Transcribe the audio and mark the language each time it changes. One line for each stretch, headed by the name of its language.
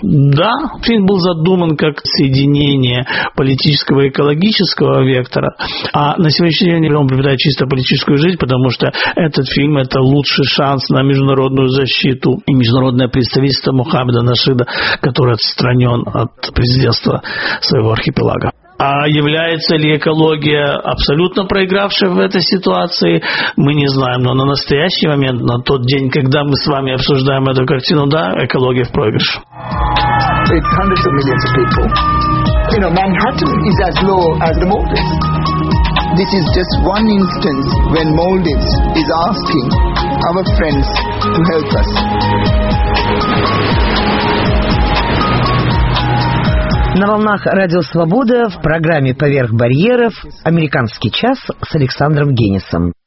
Russian: Да, фильм был задуман как соединение политического и экологического вектора, а на сегодняшний день он приобретает чисто политическую жизнь, потому что этот фильм – это лучший шанс на международную защиту и международное представительство Мухаммеда Нашида, который отстранен от президентства своего архипелага. А является ли экология абсолютно проигравшей в этой ситуации, мы не знаем. Но на настоящий момент, на тот день, когда мы с вами обсуждаем эту картину, да, экология в проигрыше.
English: It's hundreds of millions of people. You know, Manhattan is as low as the Maldives. This is just one instance when Maldives is asking our friends to help us.
Russian: На волнах Радио Свобода в программе «Поверх барьеров» «Американский час» с Александром Генисом.